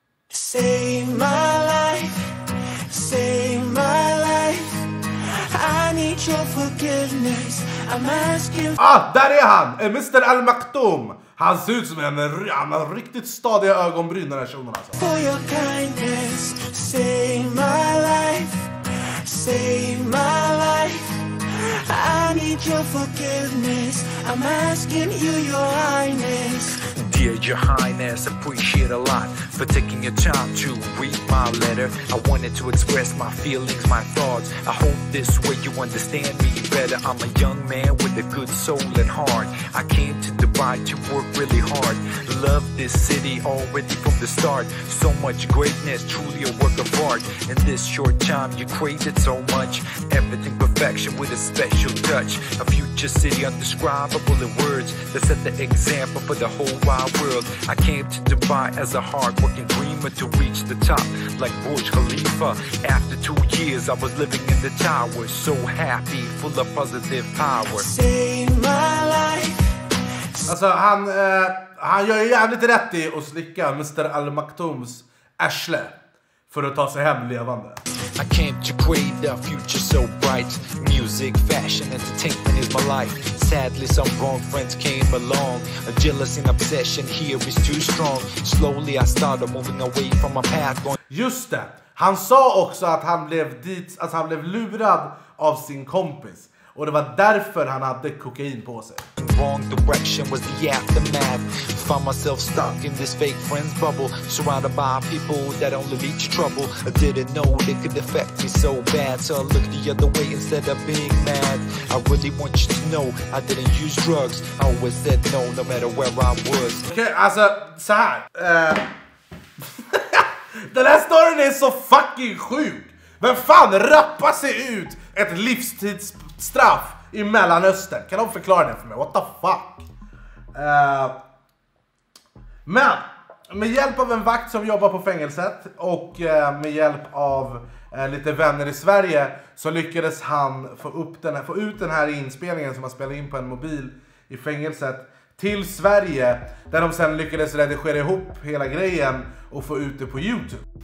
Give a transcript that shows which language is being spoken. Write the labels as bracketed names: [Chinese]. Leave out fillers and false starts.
[English] Save my life, save my life. I need your forgiveness, I'm asking... [Swedish] Ah, där är han! Mr. Al-Maktoum! Han ser ut som en har riktigt stadiga ögonbryn, den här personen alltså. [English] For your kindness, save my life, save my life. I need your forgiveness, I'm asking you your highness. Dear your highness, appreciate a lot for taking your time to read my letter. I wanted to express my feelings, my thoughts. I hope this way you understand me better. I'm a young man with a good soul and heart. I came to Dubai to work really hard. Love this city already from the start. So much greatness, truly a work of art. In this short time, you created so much. Everything perfection with a special touch. A future city undescribable in words that set the example for the whole wide world. I came to Dubai as a hard working dreamer to reach the top like Burj Khalifa. After 2 years, I was living in the tower. So happy, full of positive power. Save my life. [Swedish] Alltså, han gör ju jävligt rätt i att slicka Mr. Al-Maktoums äschle för att ta sig hem levande. [English] I came to create a future so bright. Music, fashion, entertainment is my life. Sadly, some wrong friends came along. A jealousy and obsession here is too strong. Slowly I started moving away from my path. [Swedish] Just det, han sa också att han blev lurad av sin kompis. Och det var därför han hade kokain på sig. [English] Wrong direction was the aftermath. Found myself stuck in this fake friend's bubble, surrounded by people that only leech trouble. I didn't know it could affect me so bad, so I looked the other way instead of being mad. I really want you to know I didn't use drugs. I always said no, no matter where I was. [Swedish] Okej, alltså, så här. Den här storyn är så fucking sjuk. Vem fan rappar sig ut ett livstidsstraff i Mellanöstern? Kan de förklara det för mig? [English] What the fuck? [Swedish] Men med hjälp av en vakt som jobbar på fängelset och med hjälp av lite vänner i Sverige så lyckades han få ut den här inspelningen som han spelade in på en mobil i fängelset till Sverige, där de sen lyckades redigera ihop hela grejen och få ut det på YouTube.